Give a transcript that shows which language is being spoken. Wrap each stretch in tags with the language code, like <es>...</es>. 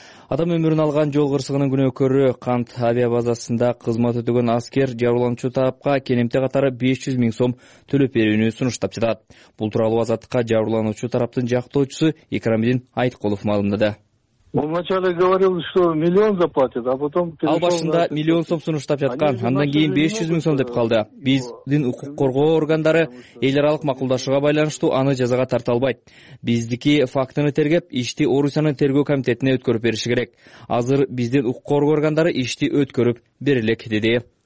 <ky>Адам өмүрүн алган жол кырсыгынын күнөөкөрү Кант авиабазасында кызмат өтөгөн аскер жараланчу тарапка кенемте катары 500 000 сом төлөп берүүнү сунуштап жатат. Бул тууралуу Азаттыкка жараланчу тараптын жактоочусу Икрамдин Айткулов маалымдады.</ky> <ru>Вначале говорил, что миллион заплатит, а потом...</ru> <ky>Ал башында миллион сом сунуштап жаткан, андан кийин 500 000 сом деп калды. Биздин укук коргоо органдары эл аралык макулдашууга байланыштуу аны жазага тарта албайт. Биздики фактыны тергеп, ишти Орусиянын тергөө комитетине өткөрүп бериши керек. Азыр биздин укук коргоо органдары ишти өткөрүп бере элек, деди.</ky>